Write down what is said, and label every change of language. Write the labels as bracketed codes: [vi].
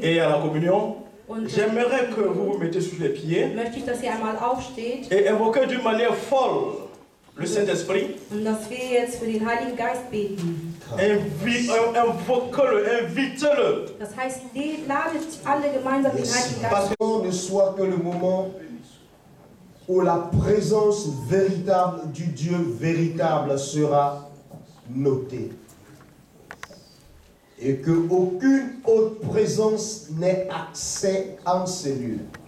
[fr] et à la communion, j'aimerais que vous vous mettez sur les pieds [de] möchte ich, dass ihr einmal aufsteht, [fr] et invoquez d'une manière folle le Saint-Esprit. [de] Und dass wir jetzt für den Heiligen Geist beten. [fr] Invoquez-le, invitez-le. [de] Das heißt, ladet alle gemeinsam den Heiligen Geist. [fr] Parce qu'on ne soit que le moment où la présence véritable du Dieu véritable sera notée. Et que aucune autre présence n'ait accès en ces lieux.